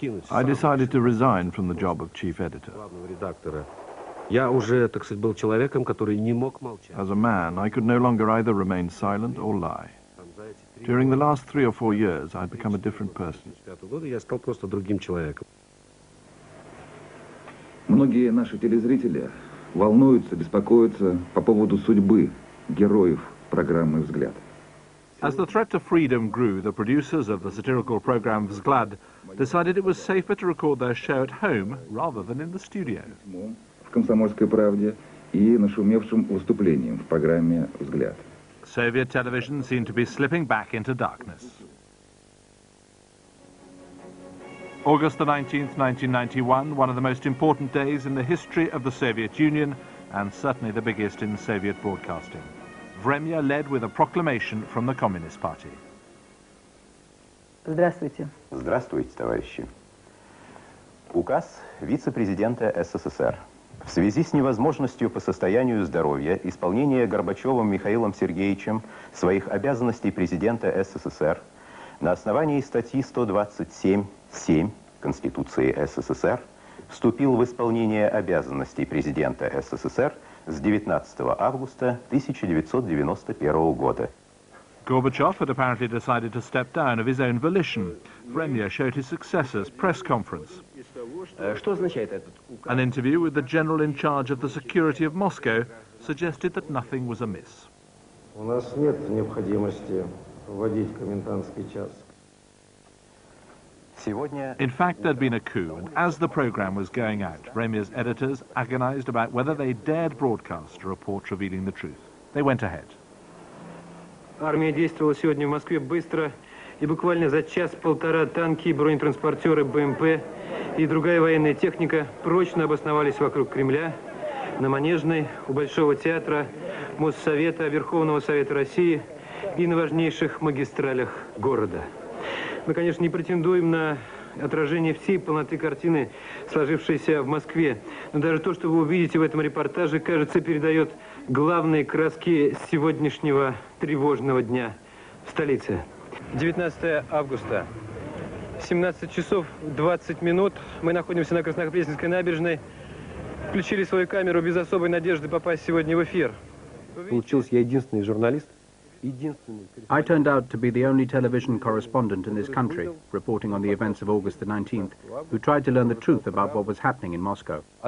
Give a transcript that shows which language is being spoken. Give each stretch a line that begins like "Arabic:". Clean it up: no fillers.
English: I decided to resign from the job of chief editor. As a man, I could no longer either remain silent or lie. During the last 3 or 4 years, I'd become a different person.
Russian: Многие наши телезрители волнуются, беспокоятся по поводу судьбы героев программы «Взгляд».
English: As the threat to freedom grew, the producers of the satirical program «Взгляд» decided it was safer to record their show at home rather than in the studio.
Russian: В «Комсомольской правде» и нашумевшим выступлением в программе «Взгляд».
English: Soviet television seemed to be slipping back into darkness. August the 19th, 1991, one of the most important days in the history of the Soviet Union, and certainly the biggest in Soviet broadcasting. Vremya led with a proclamation from the Communist Party.
Russian: Здравствуйте. Здравствуйте, товарищи. Указ вице-президента СССР. В связи с невозможностью по состоянию здоровья исполнения Горбачевым Михаилом Сергеевичем своих обязанностей президента СССР на основании статьи 127.7 Конституции СССР вступил в исполнение обязанностей президента СССР с 19 августа 1991 года.
English: Gorbachev had apparently decided to step down of his own volition. Vremya showed his successor's press conference. An interview with the general in charge of the security of Moscow suggested that nothing was amiss.
Russian: У нас нет необходимости вводить комендантский час.
English: In fact, there'd been a coup, and as the program was going out, Vremya's editors agonized about whether they dared broadcast a report revealing the truth. They went ahead.
Russian: Армия действовала сегодня в Москве быстро, и буквально за час-полтора танки, бронетранспортеры, БМП и другая военная техника прочно обосновались вокруг Кремля, на Манежной, у Большого театра, Моссовета, Верховного Совета России и на важнейших магистралях города. Мы, конечно, не претендуем на отражение всей полноты картины, сложившейся в Москве, но даже то, что вы увидите в этом репортаже, кажется, передает главные краски сегодняшнего тревожного дня в столице. 19 августа, 17 часов 20 минут, мы находимся на Краснопресненской набережной, включили свою камеру без особой надежды попасть сегодня в эфир. Получилось, я единственный журналист.
English: I turned out to be the only television correspondent in this country, reporting on the events of August the 19th, who tried to learn the truth about what was happening in Moscow.